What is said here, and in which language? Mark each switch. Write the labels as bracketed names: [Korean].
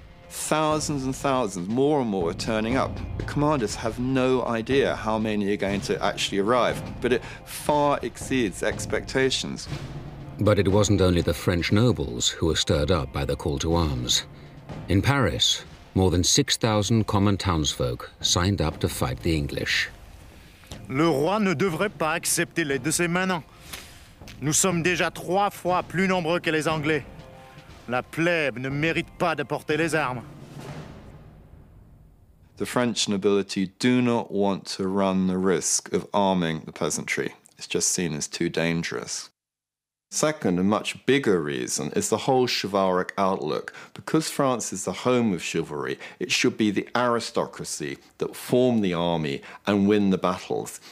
[English] Thousands and thousands, more and more, are turning up. The commanders have no idea how many are going to actually arrive, but it far exceeds expectations. But it wasn't only the French nobles who were stirred up by the call to arms. In Paris, more than 6,000 common townsfolk signed up to fight the English. [French] Le roi ne devrait pas accepter l'aide de ses manants. Nous sommes déjà trois fois plus nombreux que les Anglais. La plèbe ne mérite pas de porter les armes. [English] The French nobility do not want to run the risk of arming the peasantry. It's just seen as too dangerous. Second, and much bigger reason, is the whole chivalric outlook. Because France is the home of chivalry, it should be the aristocracy that form the army and win the battles.